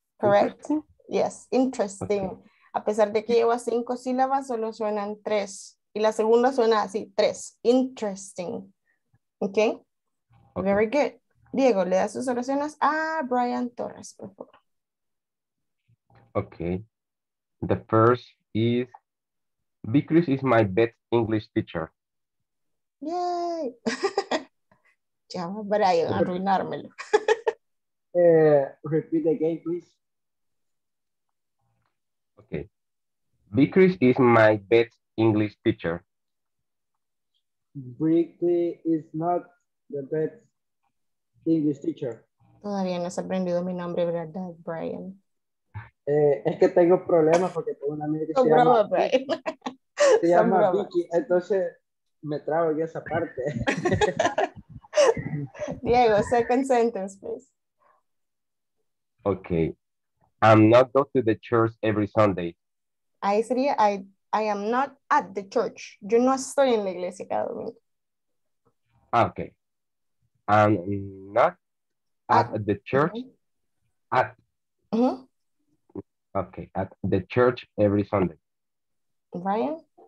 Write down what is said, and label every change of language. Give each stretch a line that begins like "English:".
English: Correct. Yes, interesting. Okay.
Spanish: A pesar de que lleva cinco sílabas, solo suenan tres. Y la segunda suena así, tres.
English: Interesting. Okay. Very good.
Spanish: Diego, le da sus oraciones a Brian Torres, por favor.
English: Okay. The first is, Beatrice is my best English teacher.
Spanish: Yay. Llama Brian a arruinármelo.
English: repeat again, please. Okay. Beatrice is my best English teacher. Brickley is not the best English teacher.
Spanish: Todavía no has aprendido mi nombre, ¿verdad, Brian? Es que tengo problemas porque tengo una amiga que se llama... Broma, Brian. Se llama Vicky, entonces me trago en esa parte.
English: Diego, second sentence, please. Okay. I'm not going to the church every Sunday.
Spanish: Ahí sería,
English: I am not at the church.
Spanish: Yo no estoy en la iglesia cada domingo.
English: Okay. I'm not at the church. Okay. At. Uh-huh. Okay. At the church every Sunday. Brian?